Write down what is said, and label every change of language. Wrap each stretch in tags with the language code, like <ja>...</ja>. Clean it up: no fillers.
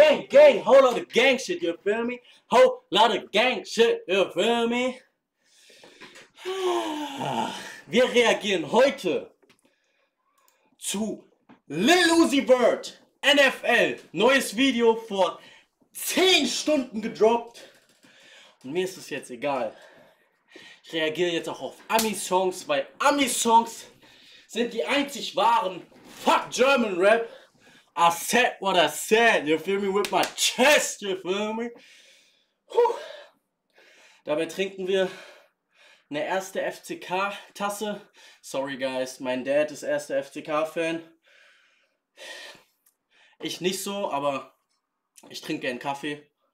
<en>Gang, whole lot of gang shit, you feel me? Whole lot of gang shit, you feel me?</en> <de>Wir reagieren heute zu Lil Uzi Vert, NFL. Neues Video vor 10 Stunden gedroppt. Und mir ist es jetzt egal. Ich reagiere jetzt auch auf Ami-Songs, weil Ami-Songs sind die einzig wahren.</de> <en>Fuck German Rap. I said what I said, you feel me, with my chest, you feel me? Puh.</en> <de>Dabei trinken wir eine erste FCK-Tasse. Sorry guys, mein Dad ist erster FCK-Fan. Ich nicht so, aber ich trinke gern Kaffee.</de>